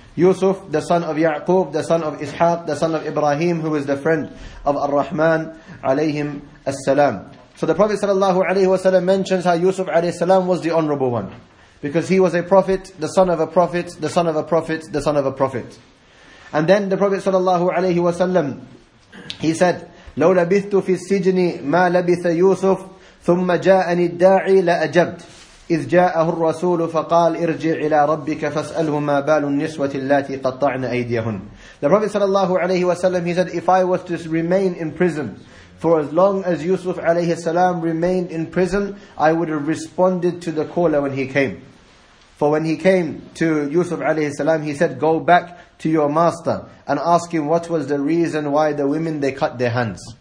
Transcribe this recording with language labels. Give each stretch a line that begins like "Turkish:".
English: Yusuf, the son of Ya'qub, the son of Ishaq, the son of Ibrahim, who is the friend of Ar-Rahman, alayhim as-salam. So the Prophet sallallahu alayhi wa sallam mentions how Yusuf alayhi salam was the honorable one. Because he was a prophet, the son of a prophet, the son of a prophet, the son of a prophet. And then the Prophet sallallahu alayhi wa sallam, he said,
Arabic: لَوْ لَبِثْتُ فِي السِّجْنِ مَا لَبِثَ يُوسُفْ ثُمَّ جَاءَنِ الدَّاعِي لَأَجَبْتْ إذ جاءه الرسول فقال ارجع إلى ربك فاسأله ما بال النسوة التي قطعن أيديهن.
English: The Prophet sallallahu alayhi wa sallam, he said, if I was to remain in prison for as long as Yusuf alayhi salam remained in prison, I would have responded to the caller when he came. For when he came to Yusuf alayhi salam, he said, go back to your master and ask him what was the reason why the women they cut their hands.